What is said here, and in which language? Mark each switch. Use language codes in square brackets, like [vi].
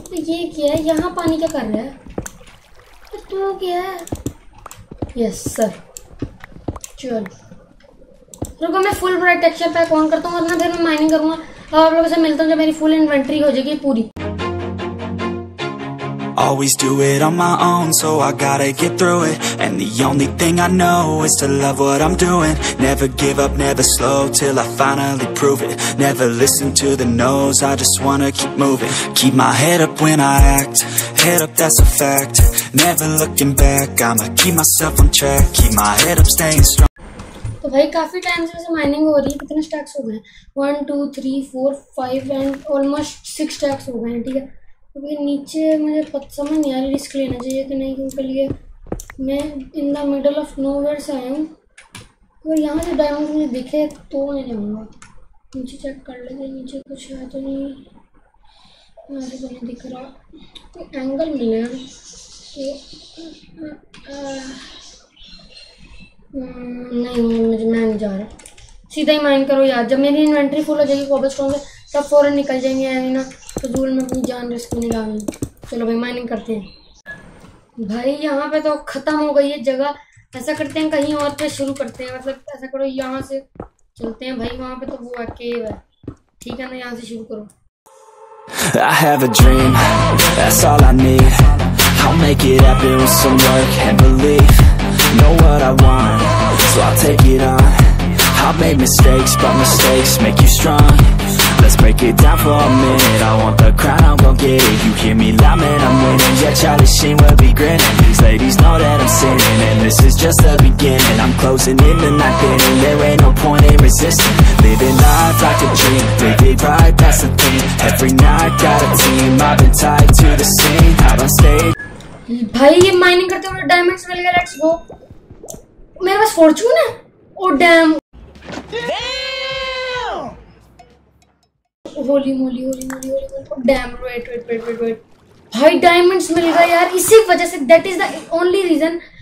[hi] ये क्या है यहाँ पानी क्या कर रहा है, तू क्या है। यस सर, चलो रुको मैं full bright texture pack on करता हूँ, वरना फिर मैं माइनिंग करूंगा। अब आप लोगों से मिलता हूँ जब मेरी फुल इन्वेंटरी हो जाएगी पूरी। [en] Always do it on my own, so I gotta get through it. And the only thing I know is to love what I'm doing. Never give up, never slow, till I finally prove it. Never listen to the no's, I just wanna keep moving. Keep my head up when I act, head up, that's a fact. Never looking back, I'ma keep myself on track. Keep my head up, staying strong. [hi] तो भाई काफ़ी time से वैसे mining हो रही है, कितने stacks हो गए, 1, 2, 3, 4, 5 एंड ऑलमोस्ट 6 स्टैक्स हो गए हैं, ठीक है। क्योंकि नीचे मुझे पता समझ नहीं आ रही रिस्क लेना चाहिए कि नहीं, क्योंकि लिए मैं [en] in the middle of nowhere [hi] से आया हूँ, तो यहाँ से डायमंड मुझे दिखे तो नहीं जाऊँगा। नीचे चेक कर लेते हैं, नीचे कुछ है तो नहीं, यहाँ से तो नहीं दिख रहा, तो एंगल मिले हैं तो नहीं, मुझे मैं नहीं जा रहा, सीधा ही माइन करो यार। जब मेरी इन्वेंट्री फुल हो जाएगी कोबल स्टोन से तब फौरन निकल जाएंगे यानी ना, तो दूर में अपनी जान रिस्क नहीं लाऊंगी। चलो भाई माइनिंग करते हैं। भाई यहाँ पे तो ख़त्म हो गई है जगह, ऐसा करते हैं कहीं और पे शुरू करते हैं, मतलब ऐसा करो यहाँ से चलते हैं भाई, वहां पे तो वो केव है, ठीक है ना, यहाँ से शुरू करो। [en] I have a dream, that's all I need. I'll make it happen with some work and belief. Know what I want, so I'll take it on. I've made mistakes, but mistakes make you strong. Let's break it down for a minute. I want the crown, I'm gon' get it. You hear me loud, man, I'm winning. Yeah, Charlie Sheen will be grinning. These ladies know that I'm sinning, and this is just the beginning. I'm closing in the night, thinning. There ain't no point in resisting. Living life like a dream, live it right, that's the thing. Every night, got a team. I've been tied to the scene. Out on stage. [hi] भाई ये mining करते हुए diamonds मिल गए, [en] Let's go. [hi] मेरे पास Fortune है। [en] Oh damn, holy holy holy holy holy, damn. Wait wait wait wait wait, [hi] भाई diamonds मिल गए यार, इसी वजह से, [en] That is the only reason.